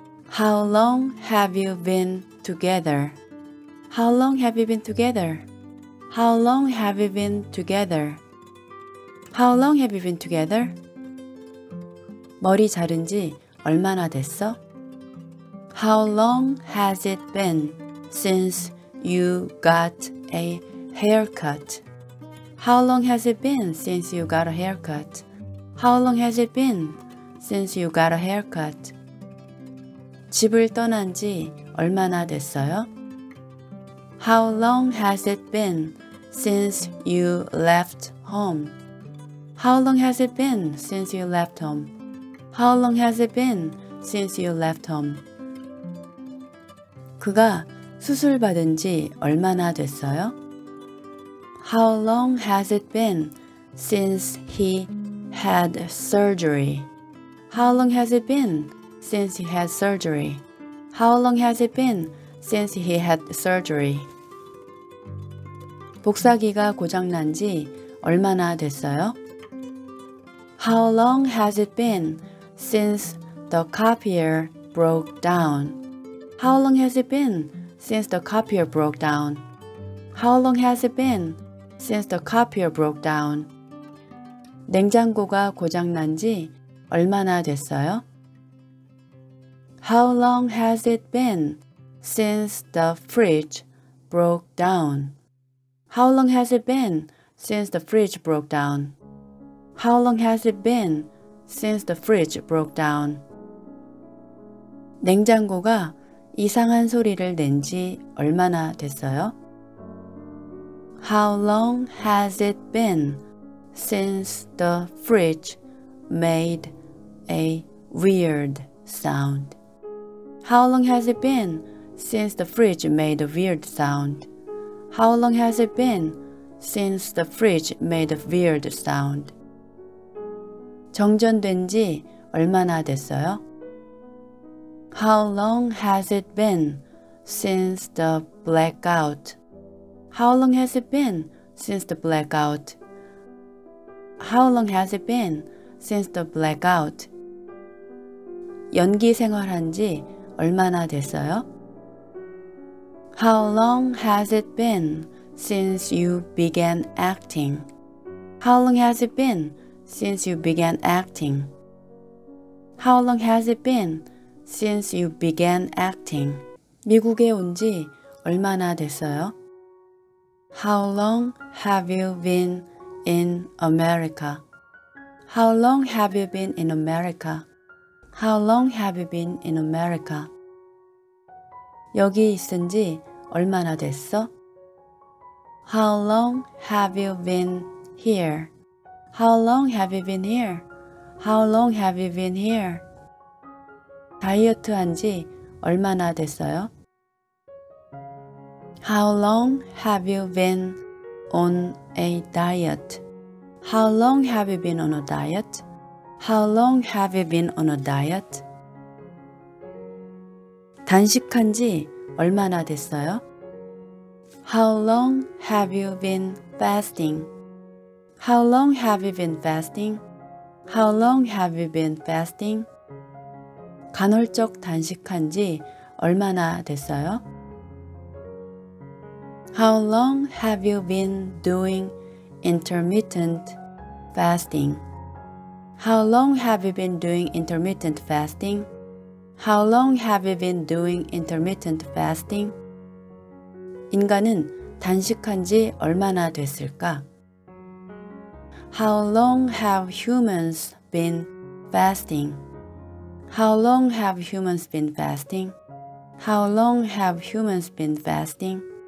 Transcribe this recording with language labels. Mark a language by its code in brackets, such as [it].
[en] How long have you been together? How long have you been together? How long have you been together? How long have you been together? [ko] 머리 자른 지 얼마나 됐어? [en] How long has it been since you got a haircut? How long has it been since you got a haircut? How long has it been since you got a haircut? [ko] 집을 떠난 지 얼마나 됐어요? [en] How long has it been since you left home? How long has it been since you left home? How long has it been since you left home? [ko] 그가 수술 받은 지 얼마나 됐어요? [en] How long has it been since he had surgery? How long has it been since he had surgery? How long has it been since he had surgery? [ko] 복사기가 고장 난 지 얼마나 됐어요? [en] How long has it been since the copier broke down? How long has it been since the copier broke down? How long has it been since the copier broke down? [ko] 냉장고가 고장 난 지 얼마나 됐어요? [en] How long has it been since the fridge broke down? How long has it been since the fridge broke down? How long has it been since the fridge broke down? [ko] 냉장고가 이상한 소리를 낸 지 얼마나 됐어요? [en] How long has it been since the fridge made a weird sound? How long has it been since the fridge made a weird sound? How long has it been since the fridge made a weird sound? [ko] 정전된 지 얼마나 됐어요? [en] How long has it been since the blackout? How long has it been since the blackout? How long has it been since the blackout? [ko] 연기 생활한 지 얼마나 됐어요? [en] How long has it been since you began acting? How long has it been since you began acting? How long has it been since you began acting? [ko] 미국에 온 지 얼마나 됐어요? [en] How long have you been in America? How long have you been in America? How long have you been in America? [ko] 여기 있은 지 얼마나 됐어? [en] How long have you been here? How long have you been here? How long have you been here? [ko] 다이어트 한 지 얼마나 됐어요? [en] How long have you been on a diet? How long have you been on a diet? How long have you been on a diet? [ko] 단식한 지 얼마나 됐어요? [en] How long have you been fasting? How long have you been fasting? How long have you been fasting? [ko] 간헐적 단식한 지 얼마나 됐어요? [en] How long have you been doing intermittent fasting? How long have you been doing intermittent fasting? How long have you been doing intermittent fasting? [ko] 인간은 단식한 지 얼마나 됐을까? [en] How long have humans been fasting? How long have humans been fasting? How long have humans been fasting?